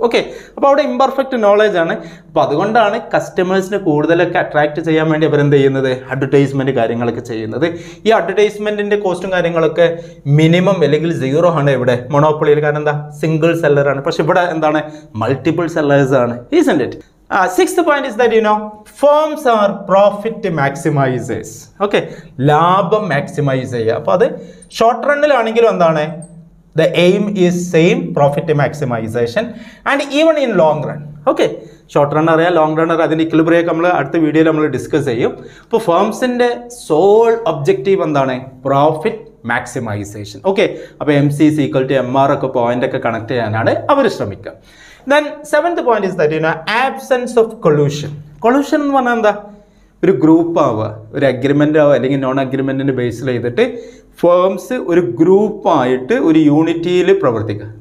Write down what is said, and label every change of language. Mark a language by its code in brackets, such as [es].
[ml] Okay, അപ്പോൾ അവിടെ imperfect knowledge ആണ്. അപ്പോൾ അതുകൊണ്ടാണ് കസ്റ്റമേഴ്സിനെ കൂടുതലൊക്കെ അട്രാക്ട് ചെയ്യാൻ വേണ്ടി അവർ എന്ത് ചെയ്യുന്നത്, അഡ്വർടൈസ്മെൻറ്റ് കാര്യങ്ങളൊക്കെ ചെയ്യുന്നത്. ഈ അഡ്വർടൈസ്മെൻറ്റിൻ്റെ കോസ്റ്റും കാര്യങ്ങളൊക്കെ മിനിമം അല്ലെങ്കിൽ സീറോ ആണ് ഇവിടെ മോണോപൊളിയിൽ. കാരണം എന്താ, സിംഗിൾ സെല്ലറാണ്. പക്ഷെ ഇവിടെ എന്താണ്, മൾട്ടിപ്പിൾ സെല്ലേഴ്സ് ആണ്. [en] Isn't it. Sixth point is that, you know, firms are profit maximizers. Okay, labham maximizer. [ml] Appo adu short run il anengil endane, [en] the aim is same, profit maximization, and even in long run. [ml] Okay, short runner അറിയാം, long runner, അതിൻ്റെ ഇക്വിലിബ്രിയൊക്കെ നമ്മൾ അടുത്ത വീഡിയോയിൽ നമ്മൾ discuss ചെയ്യും. അപ്പോൾ ഫേംസിൻ്റെ soul objective എന്താണ്, profit maximisation. Okay, അപ്പോൾ MCC ഈക്വൽ ടു MR ഒക്കെ പോയിന്റൊക്കെ കണക്ട് ചെയ്യാനാണ് അവർ ശ്രമിക്കുക. [en] Then seventh point is that you know absence of collusion. [ml] Collusion എന്ന് പറഞ്ഞാൽ എന്താ, ഒരു ഗ്രൂപ്പാവുക, ഒരു അഗ്രിമെൻ്റ് ആവുക, അല്ലെങ്കിൽ നോൺ അഗ്രിമെൻറ്റിൻ്റെ ബേസിൽ ചെയ്തിട്ട് ഫേംസ് ഒരു ഗ്രൂപ്പായിട്ട് ഒരു യൂണിറ്റിയിൽ പ്രവർത്തിക്കുക.